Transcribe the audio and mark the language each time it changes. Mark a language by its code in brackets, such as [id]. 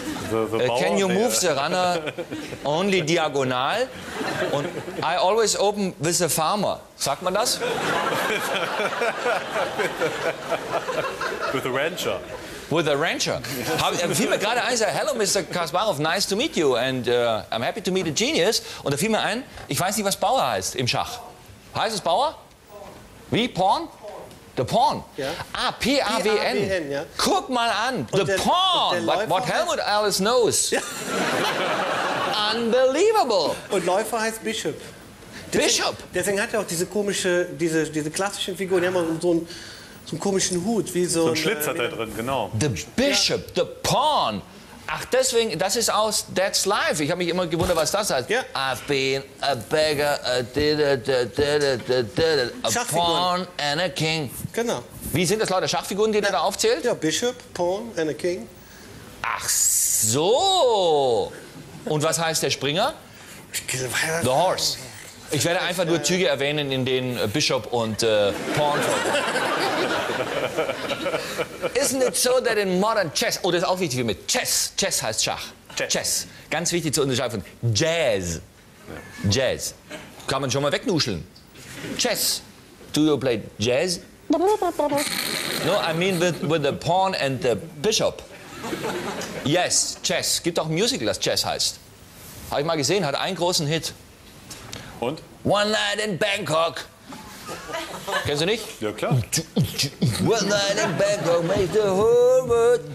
[en] The Can [de] Bauer? [en] You move the runner only diagonal? [de] Und [en] I always open with the farmer. [de] Sagt man das? [en] With a rancher. With a rancher. [de] Da fiel mir gerade ein, sagt, [en] hello Mr. Kasparov, nice to meet you and I'm happy to meet a genius. [de] Und da fiel mir ein, ich weiß nicht, was Bauer heißt im Schach. Heißt es Bauer? [en] Pawn. Wie? Pawn? The Pawn. [de] Ja. Ah, P-A-W-N. Ja. Guck mal an, und [en] The [de] der, [en] Pawn. What Helmut Alice knows. [de] Ja. [en] Unbelievable. [de] Und Läufer heißt Bishop. Bishop? Deswegen hat er auch diese komische, diese klassischen Figuren, die haben auch so einen komischen Hut. Wie so ein Schlitz hat er drin, genau. The Bishop, ja. The Pawn. Ach, deswegen, das ist aus That's Life. Ich habe mich immer gewundert, was das heißt. [en] Yeah. I've been a beggar, a pawn and a king. [de] Genau. Wie sind das lauter Schachfiguren, die der da aufzählt? [en] Ja, Bishop, Pawn and a King. [de] Ach so. Und was heißt der Springer? [en] The Horse. [de] Ich werde einfach nur Züge erwähnen, in denen Bishop und Pawn. [en] Isn't it so that in modern chess, [de] oh, das ist auch wichtig mit Chess. Chess heißt Schach. [en] Chess. [de] Ganz wichtig zu unterscheiden von Jazz. Ja. Jazz. Kann man schon mal wegnuscheln. Chess. [en] Do you play Jazz? No, I mean with the Pawn and the Bishop. [de] Yes, Chess. Gibt auch ein Musical, das Chess heißt. Habe ich mal gesehen, hat einen großen Hit. Und? One Night in Bangkok. Kennst du nicht? Ja, klar. [en] One Night in Bangkok makes the whole world.